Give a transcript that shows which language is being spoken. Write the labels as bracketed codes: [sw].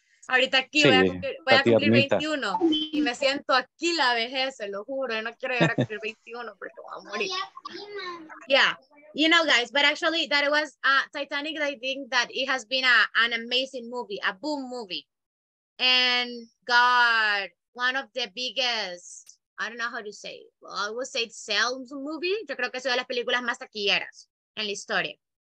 [es] Ahorita aquí sí, voy a cumplir 21 y me siento aquí la vejez, se lo juro. Yo no quiero llegar a cumplir 21 porque voy a morir. [en] Yeah. You know, guys, but actually, that it was Titanic, I think that it has been an amazing movie, a boom movie. And God, one of the biggest, I don't know how to say it. Well, I would say it's a sales movie. [es] Yo creo que es una de las películas más taquilleras en la historia.